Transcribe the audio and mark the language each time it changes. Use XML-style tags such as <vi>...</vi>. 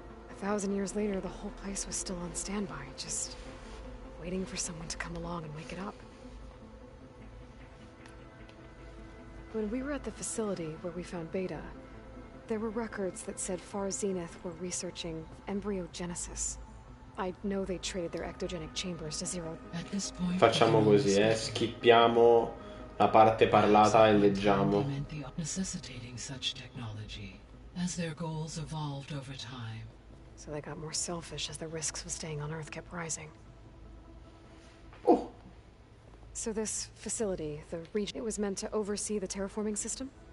<en>A thousand years later, the whole place was still on standby, just waiting for someone to come along and wake it up. When we were at the facility where we found Beta, there were records that said Far Zenith were researching embryogenesis. I know they traded their ectogenic chambers to Zero. At this point,</en> <it>facciamo così, skippiamo la parte parlata e leggiamo.</it> <en>Necessitating such technology as their goals evolved over time. So they got more selfish as the risks of staying on Earth kept rising. So this facility, the region, it was meant to oversee the terraforming system?</en>